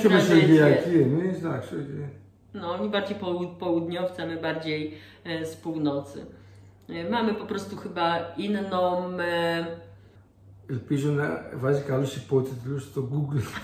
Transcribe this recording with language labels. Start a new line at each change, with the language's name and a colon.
Greek: Πιο μεσογειακοί εμείς, εντάξει, όχι.
Polish: No, oni bardziej południowcy, my bardziej z północy. Mamy po prostu chyba inną...
Greek: Ελπίζω να βάζει καλούς υπότιτλους στο Google.